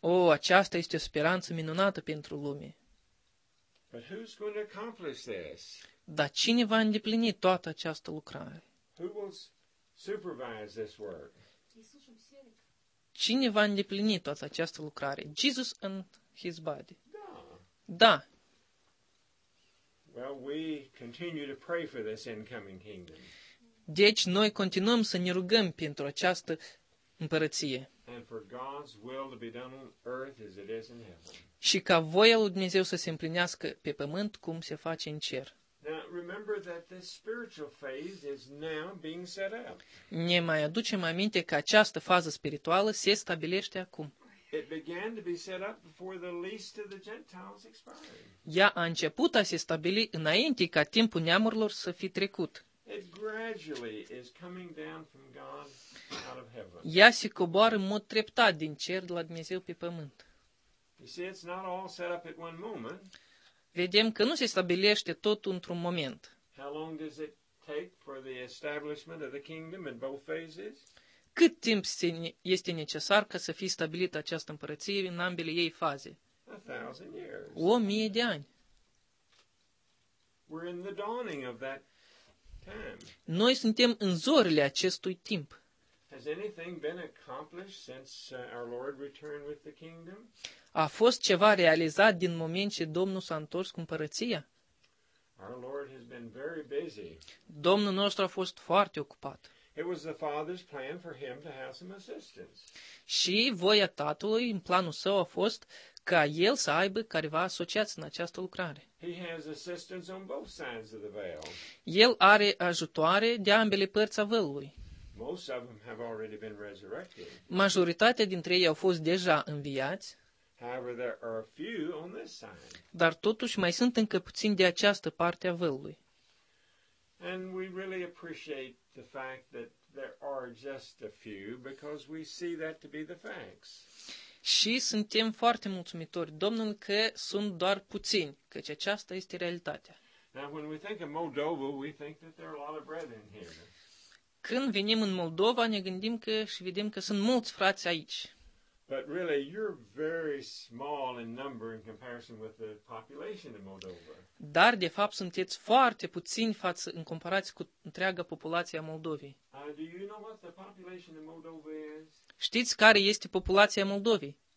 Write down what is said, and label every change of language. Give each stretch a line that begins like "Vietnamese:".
Romanian: Aceasta este o speranță minunată pentru lume.
English: But who's going to accomplish this?
Romanian: Dar cine va îndeplini toată această lucrare?
English: Who will supervise this work?
Romanian: Cine va îndeplini toată această lucrare?
English: Jesus and his body.
Romanian: Da. Da.
English: Well, we continue to pray for this incoming kingdom.
Romanian: Deci noi continuăm să ne rugăm pentru această împărăție.
English: And for God's will to be done on earth as it is in heaven.
Romanian: Și ca voia lui Dumnezeu să se împlinească pe pământ cum se face în cer.
English: Now, remember that this spiritual phase is now being set up.
Romanian: Ne mai aducem aminte că această fază spirituală se stabilește acum.
English: It began to be set up before the least of the Gentiles expired.
Romanian: Ea a început a se stabili înainte ca timpul neamurilor să fi trecut.
English: It gradually is coming down from God out of heaven.
Romanian: Ea se coboară în mod treptat din cer de la Dumnezeu pe pământ.
English: You see, it's not all set up at one moment.
Romanian: Vedem că nu se stabilește tot într-un moment.
English: How long does it take for the establishment of the kingdom in both phases?
Romanian: Cât timp este necesar ca să fie stabilită această împărăție în ambele ei faze? O mie de ani.
English: We're in the dawning of that time.
Romanian: Noi suntem în zorile acestui timp.
English: Has anything been accomplished since our Lord returned with the kingdom?
Romanian: A fost ceva realizat din moment ce Domnul s-a întors cu împărăția?
English: Our Lord has been very busy.
Romanian: Domnul nostru a fost foarte ocupat.
English: It was the Father's plan for him to have some assistance.
Romanian: Și voia Tatălui în planul său a fost ca el să aibă careva asociați în această lucrare.
English: He has assistance on both sides of the veil.
Romanian: El are ajutoare de ambele părți a vălului.
English: Most of them have already been resurrected.
Romanian: Majoritatea dintre ei au fost deja înviați.
English: However, there are a few on this side.
Romanian: Dar totuși mai sunt încă puțin de această parte a vălului.
English: And we really appreciate the fact that there are just a few because we see that to be the facts.
Romanian: Și suntem foarte mulțumitori Domnului că sunt doar puțini, căci aceasta este realitatea.
English: Now when we think of Moldova, we think that there are a lot of brethren here.
Romanian: Când venim în Moldova, ne gândim că și vedem că sunt mulți frați aici.
English: But really, you're very small in number in comparison with the population in Moldova.
Romanian: Dar de fapt sunteți foarte puțini față în comparație cu întreaga populație a Moldovei.
English: Do you know what the population in Moldova is?
Romanian: Știți care este populația Moldovei?